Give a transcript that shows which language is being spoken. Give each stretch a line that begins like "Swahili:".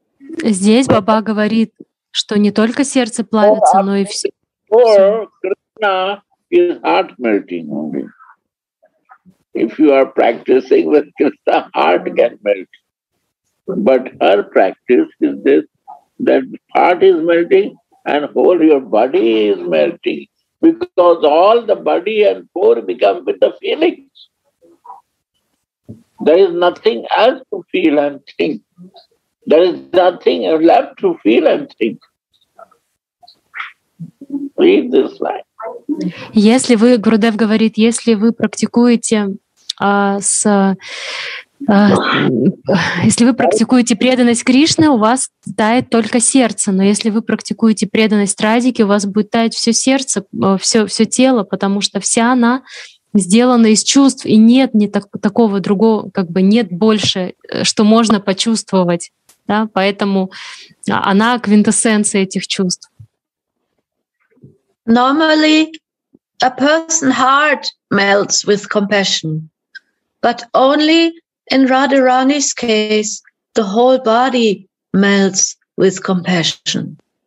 Russian: Здесь Баба говорит, что не только сердце плавится, но и все.
English: Or Krishna is heart melting only. If you are practicing with Krishna, heart can melt. But her practice is this, that heart is melting and whole your body is melting. Because all the body and core become with the feelings. There is nothing else to feel and think. There is nothing left to feel and think. Read this line.
Russian: Если вы, Гурудев говорит, если вы практикуете если вы практикуете преданность Кришне, у вас тает только сердце. Но если вы практикуете преданность Радике, у вас будет таять все сердце, все тело, потому что вся она сделана из чувств, и нет ни такого другого, как бы нет больше, что можно почувствовать. Да? Поэтому она квинтэссенция этих чувств.
English: Normally a person's heart melts with compassion, but only in Radharani's case, the whole body melts with compassion.